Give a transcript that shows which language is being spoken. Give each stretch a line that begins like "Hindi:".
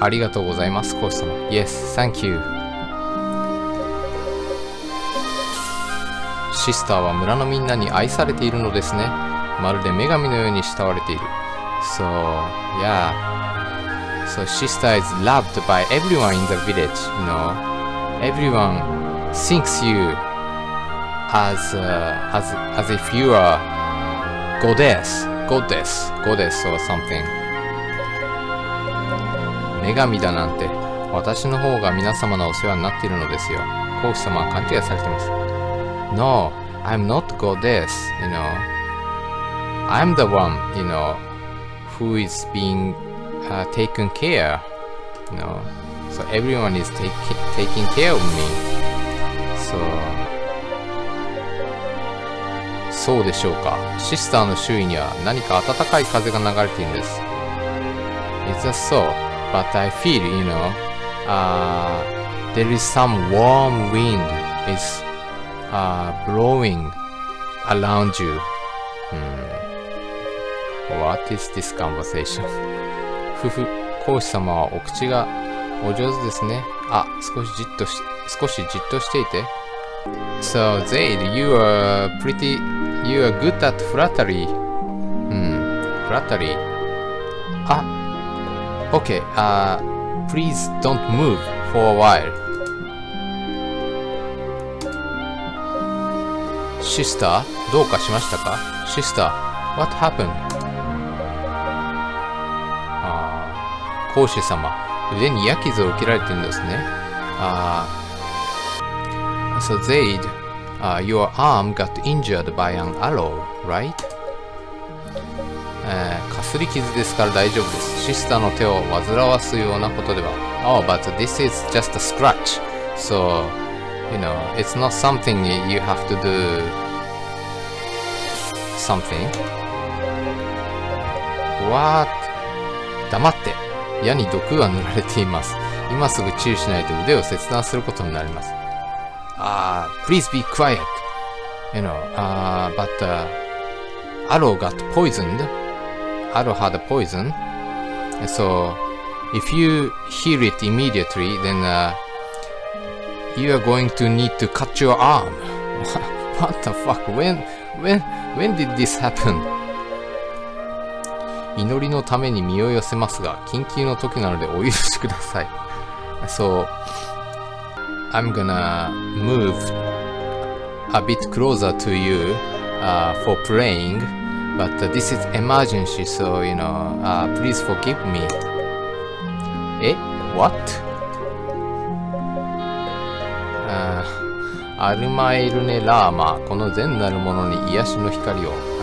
Japanese: ありがとうございます、コース様。
English: Yes, thank you.
Japanese: シスターは村のみんなに愛されているのですね。まるで女神のように慕われている。
English: So, yeah. So, sister is loved by everyone in the village, you know. Everyone thinks you as if you are goddess or something.
Japanese: 女神だなんて、私の方が皆様のお世話になっているのですよ。皇子様は勘違いされています。
English: No, I'm not goddess, you know. I'm the one, you know, who is being、taken care, you know. So everyone is taking care of me.
Japanese: そうでしょうか。シスターの周囲には何か暖かい風が流れているんです。
English: It's just so. But I feel, you know,、there is some warm wind is、blowing around you.、What is this conversation?
Japanese: ふふ、皇子様はお口がお上手ですね。あ、少しじっとしていて。
English: So, Zade, you are good at flattery.、flattery. あ、Okay, please don't move for a while. Sister,
Japanese: どうかしましたか?
English: Sister, what happened?
Japanese: 皇子様、腕に矢傷を受けられてるんですね。
English: So Zade, your arm got injured by an arrow, right?
Japanese: かすり傷ですから大丈夫です。シスターの手を煩わすようなことでは。
English: Oh, but this is just a scratch. So, you know, it's not something you have to do something. What?
Japanese: 黙って。矢に毒が塗られています。今すぐ注意しないと腕を切断することになります。
English: Please be quiet. You know, but arrow got poisoned. Arrow had a poison, so if you heal it immediately, then、you are going to need to cut your arm. What the fuck? When did this happen?
Japanese: 祈りのために身を寄せますが、緊急の時なのでお許しください。
English: So I'm gonna move a bit closer to you、for praying. But this is emergency, so you know, please forgive me. What?
Japanese: アルマエルネラーマ、この善なるものに癒しの光を。